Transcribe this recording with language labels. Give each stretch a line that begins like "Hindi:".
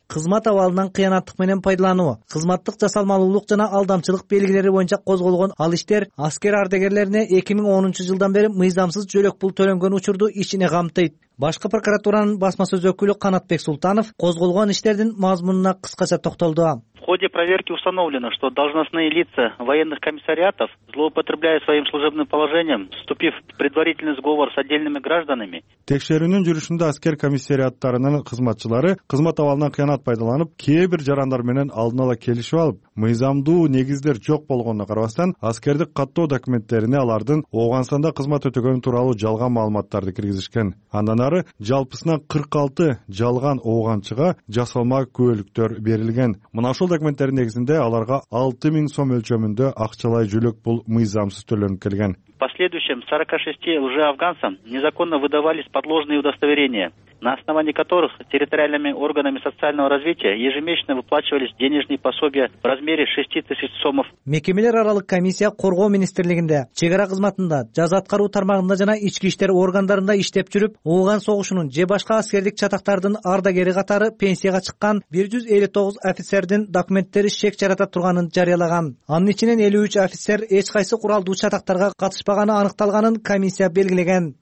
Kyrgyz: Кызмат абалынан кыянаттык менен пайдалануу, кызматтык жасалмалуулук жана алдамчылык белгилери боюнча козголгон ал иштер аскер ардагерлерине 2010 жылдан бери мыйзамсыз жөлөк пул төлөнгөн учурду ичине камтыйт. Башкы прокуратуранын басма сөз өкүлү Канатбек Султанов козголгон иштердин мазмунуна кыскача токтолду.
Russian: В ходе проверки установлено, что должностные лица военных комиссариатов, злоупотребляя своим служебным положением, вступив в предварительный сговор с отдельными гражданами,
Kyrgyz: текшерүүнүн жүрүшүндө аскер комиссариаттарынын кызматчылары кызмат абалынан кыянат пайдаланып, кээбир жарандар менен алдын ала келишип алып, мыйзамдуу негиздер жок болгонуна карабастан, аскердик каттоо документтерине алардын Ооганстанда кызмат өтөгөнү тууралуу жалган маалыматтарды киргизишкен. Андан ары жалпысынан 46 жалган ооганчыга жасалма күбөлүктөр берилген. Ошол документтердин негизинде аларга 6000 сом өлчөмүндө акчалай жөлөк пул мыйзамсыз төлөнүп келген.
Russian: последующем 46 лжеафганцам незаконно выдавались подложные удостоверения, на основании которых территориальными органами социального развития ежемесячно выплачивались денежные пособия в размере 6000 сомов.
Kyrgyz: Мекемелер аралык комиссия Коргоо министрлигинде, чегара кызматында, жаза аткаруу тармагында жана ички иштер органдарында иштеп жүрүп, Ооган согушунун же башка аскердик чатактардын ардагери катары пенсияга чыккан 159 офицердин документтери шек жарата турганын жарыялаган. Анын ичинен 53 офицер эч кайсы куралдуу чатактарга катышпаганы аныкталганын комиссия белгилеген.